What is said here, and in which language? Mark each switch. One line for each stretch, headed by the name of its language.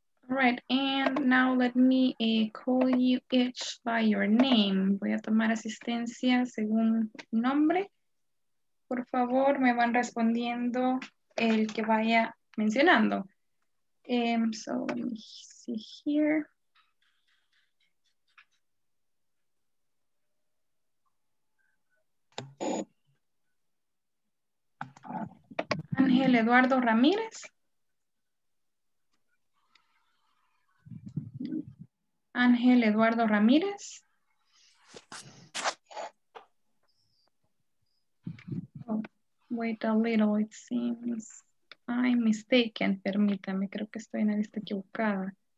English: All right, and now let me call you each by your name.
Spanish: Voy a tomar asistencia según nombre. Por favor, me van respondiendo el que vaya mencionando.
English: So let me see here. Ángel Eduardo Ramírez. Ángel Eduardo Ramírez. Oh, wait a little, it seems I'm mistaken.
Spanish: Permítame, creo que estoy en la lista equivocada.